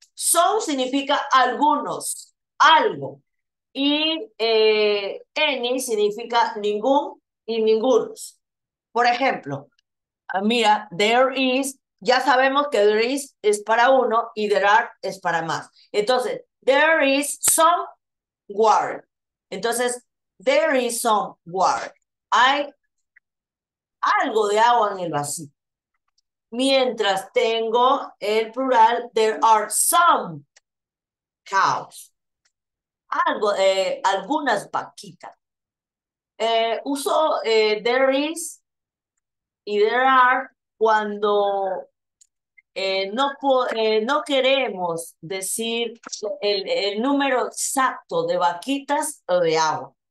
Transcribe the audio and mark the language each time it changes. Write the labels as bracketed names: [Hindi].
[Spanish] Son significa algunos, algo. Y any significa ningún y ningunos. Por ejemplo, mira, there is, ya sabemos que there is es para uno y there are es para más. [English] Entonces, there is some water. Entonces, there is some water. [Spanish] Hay algo de agua en el vasito. Mientras tengo el plural, [English] there are some cows. [Spanish] Algo, algunas vaquitas. Uso there is y there are cuando no queremos decir el número exacto de vaquitas o de agua.